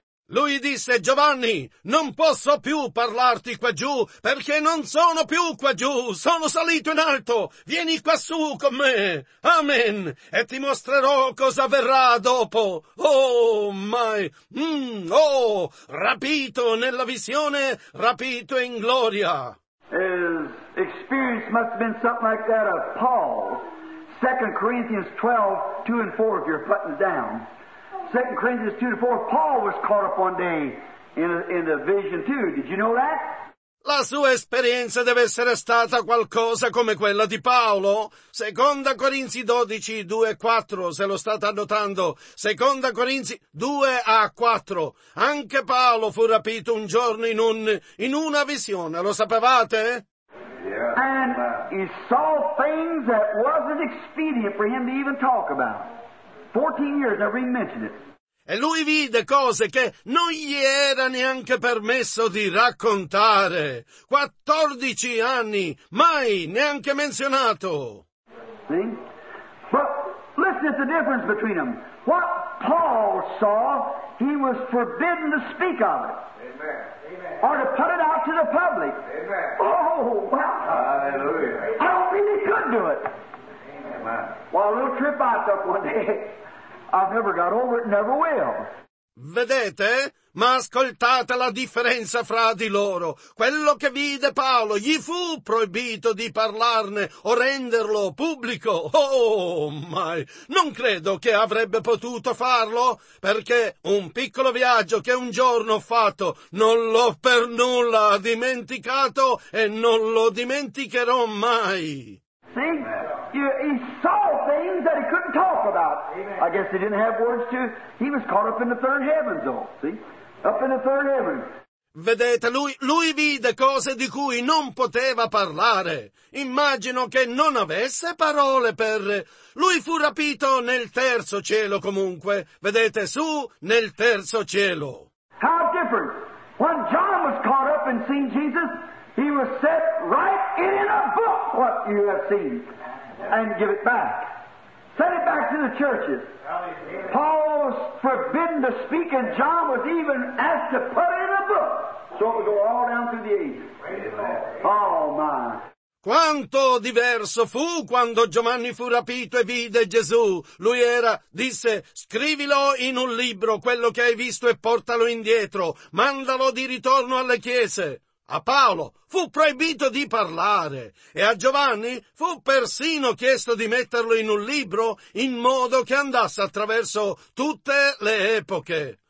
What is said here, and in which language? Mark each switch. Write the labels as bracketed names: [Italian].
[Italian] Lui disse, Giovanni, non posso più parlarti qua giù, perché non sono più qua giù, sono salito in alto, vieni quassù con me, amen, e ti mostrerò cosa avverrà dopo. [English] Oh, my, oh, [Italian] rapito nella visione, rapito in gloria. [English] His experience must have been something like that of Paul. 2 Corinthians 12, 2 and 4, if you're putting it down. 2 Corinthians 2 and 4, Paul was caught up one day in a vision too. Did you know that? [Italian] La sua esperienza deve essere stata qualcosa come quella di Paolo. 2 Corinzi 12, 2 e 4, se lo state annotando. 2 Corinzi 2 a 4. Anche Paolo fu rapito un giorno in una visione, lo sapevate? [English] Yeah. And he saw things that wasn't expedient for him to even talk about. 14 years, never even mentioned it. [Italian] E lui vide cose che non gli era neanche permesso di raccontare. 14 anni, mai neanche menzionato. [English] See? But listen to the difference between them. What Paul saw, he was forbidden to speak of it. Amen. Amen. Or to put it out to the public. Amen. Oh, wow. Hallelujah. I don't think he could do it. Amen. Well, a little trip I took one day, I've never got over it, never will. [Italian] Vedete? Ma ascoltate la differenza fra di loro. Quello che vide Paolo, gli fu proibito di parlarne o renderlo pubblico. Oh, mai. Non credo che avrebbe potuto farlo, perché un piccolo viaggio che un giorno ho fatto non l'ho per nulla dimenticato e non lo dimenticherò mai. [English] See, he saw things that he couldn't talk about. Amen. I guess he didn't have words to. He was caught up in the third heaven, though. See, up in the third heaven. [Italian] Vedete, lui vide cose di cui non poteva parlare. Immagino che non avesse parole per... Lui fu rapito nel terzo cielo, comunque. Vedete, su nel terzo cielo. [English] How different! When John was caught up and seen Jesus, he was set right in a book what you have seen and give it back. Send it back to the churches. Paul was forbidden to speak and John was even asked to put it in a book. So it would go all down through the ages. Oh my. [Italian] Quanto diverso fu quando Giovanni fu rapito e vide Gesù. Lui era, disse, scrivilo in un libro quello che hai visto e portalo indietro. Mandalo di ritorno alle chiese. A Paolo fu proibito di parlare e a Giovanni fu persino chiesto di metterlo in un libro in modo che andasse attraverso tutte le epoche.